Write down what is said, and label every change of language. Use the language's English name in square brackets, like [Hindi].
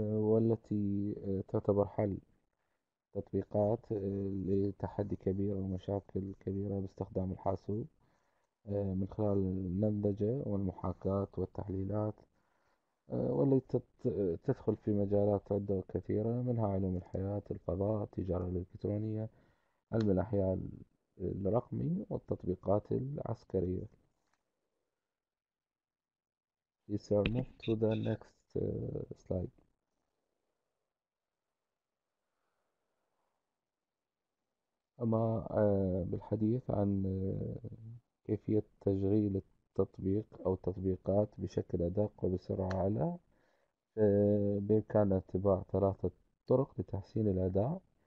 [Arabic] والتي تعتبر حل تطبيقات لتحدي كبير او مشاكل كبيرة باستخدام الحاسوب من خلال النمذجة والمحاكاة والتحليلات والتي تدخل في مجالات عدة وكثيرة منها علوم الحياة، الفضاء، التجارة الإلكترونية، علم الأحياء الرقمي والتطبيقات العسكرية. [English] Please sir, move to the next slide. [Arabic] أما بالحديث عن كيفية تشغيل التطبيق أو التطبيقات بشكل أدق وبسرعة أعلى، بإمكان اتباع 3 طرق لتحسين الأداء.